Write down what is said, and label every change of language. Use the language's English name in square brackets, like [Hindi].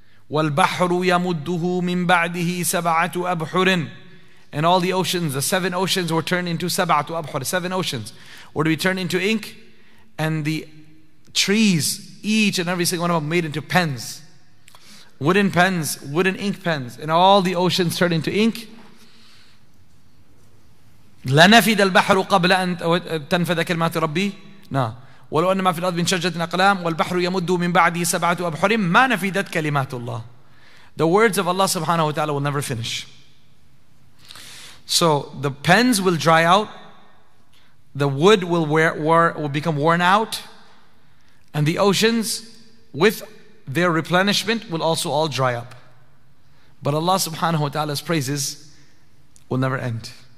[Arabic] وَالْبَحْرُ يَمُدُّهُ مِنْ بَعْدِهِ سَبَعَةُ أَبْحُرٍ, [English] and all the oceans, the seven oceans were turned into [Arabic] سَبَعَةُ أَبْحُرٍ, [English] seven oceans were to be turned into ink, and the trees, each and every single one of them made into pens, wooden pens, wooden ink pens, and all the oceans turned into ink, [Arabic] لَنَفِدَ الْبَحْرُ قَبْلَ أَنْ تَنْفَدَ كَلْمَاتُ رَبِّي. [English] No. [Arabic] وَلَوْ أَنَّ مَا فِي الْأَرْضِ مِنْ شَجَّةٍ أَقْلَامٍ وَالْبَحْرُ يَمُدُّ مِنْ بَعْدِهِ سَبْعَةُ أَبْحُرٍ مَا نَفِدَتْ كَلِمَاتُ اللَّهِ. [English] The words of Allah subhanahu wa ta'ala will never finish. So the pens will dry out, the wood will become worn out, and the oceans with their replenishment will also all dry up. But Allah subhanahu wa ta'ala's praises will never end.